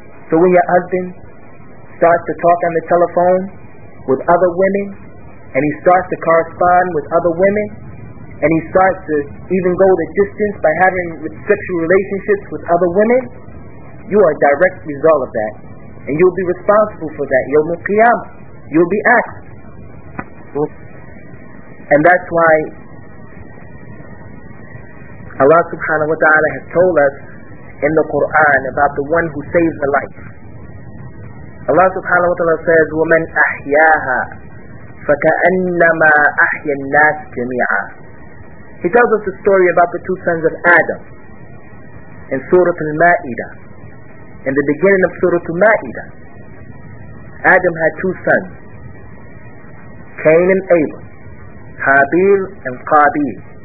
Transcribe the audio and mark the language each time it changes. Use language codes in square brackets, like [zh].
[en] So when your husband starts to talk on the telephone with other women, and he starts to correspond with other women, and he starts to even go the distance by having sexual relationships with other women, you are a direct result of that, and you'll be responsible for that. Yawm al-Qiyamah, you'll be asked. And that's why Allah subhanahu wa ta'ala has told us in the Quran about the one who saves a life. Allah subhanahu wa ta'ala says, [ar] وَمَنْ أَحْيَاهَا فَكَأَنَّمَا أَحْيَ النَّاسِ جَمِيعًا. [en] He tells us the story about the two sons of Adam in Surah Al-Ma'idah. In the beginning of Surah Al-Ma'idah, Adam had two sons, Cain and Abel, Habil and Qabil.